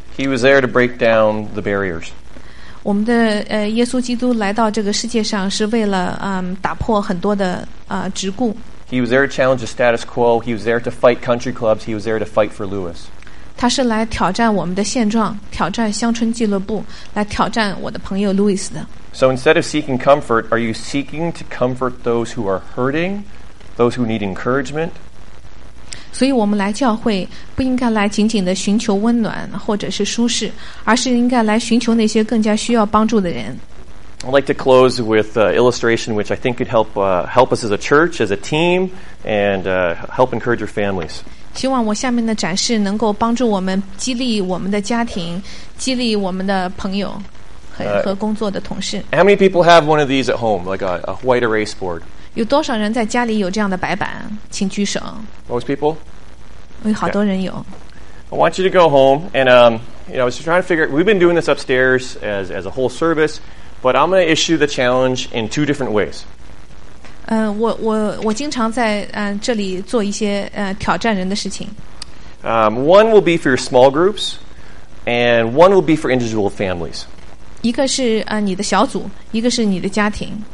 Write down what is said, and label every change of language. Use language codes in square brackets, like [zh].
[en] He was there to break down the barriers. [zh] 我们的耶稣基督来到这个世界上是为了打破很多的桎梏。 [en] He was there to challenge the status quo. He was there to fight country clubs. He was there to fight for Lewis. [zh] 他是来挑战我们的现状，挑战乡村俱乐部，来挑战我的朋友 Lewis 的。 [en] So instead of seeking comfort, are you seeking to comfort those who are hurting, those who need encouragement? [zh] 所以我们来教会不应该来仅仅的寻求温暖或者是舒适，而是应该来寻求那些更加需要帮助的人。 [en] I'd like to close with an illustration which I think could help, help us as a church, as a team, and help encourage your families. [zh] 希望我下面的展示能够帮助我们激励我们的家庭，激励我们的朋友 和工作的同事。 [en] How many people have one of these at home, like a white erase board? [zh] 有多少人在家里有这样的白板？请举手。 [en] Most people. [zh] 有好多人有。 [en] I want you to go home and you know, I was just trying to figure. We've been doing this upstairs as a whole service, but I'm going to issue the challenge in two different ways. [zh] 我经常在这里做一些挑战人的事情。 [en] One will be for your small groups, and one will be for individual families. [zh] 一个是你的小组，一个是你的家庭。